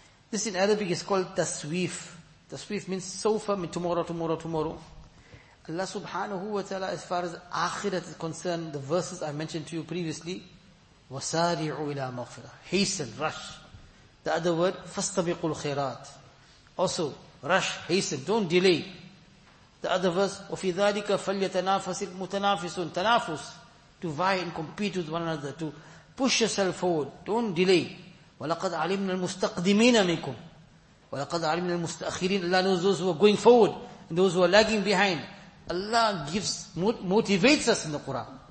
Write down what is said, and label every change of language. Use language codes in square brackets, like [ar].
[en] This in Arabic is called taswif. Taswif means sofa, means tomorrow, tomorrow, tomorrow. Allah subhanahu wa ta'ala, as far as akhirah is concerned, the verses I mentioned to you previously, wasari'u ila maghfira. Hasten, rush. The other word, fastabiqul khairat. Also, rush, hasten, don't delay. The other verse, [ar] وَفِي ذَلِكَ فَلْيَتَنَافَسِ الْمُتَنَافِسُونَ. [en] Tanafus, to vie and compete with one another, to push yourself forward, don't delay. [ar] وَلَقَدْ عَلِمْنَا الْمُسْتَقْدِمِينَ مِنْكُمْ وَلَقَدْ عَلِمْنَا الْمُسْتَأْخِرِينَ. [en] Allah knows those who are going forward and those who are lagging behind. Allah gives, motivates us in the Quran.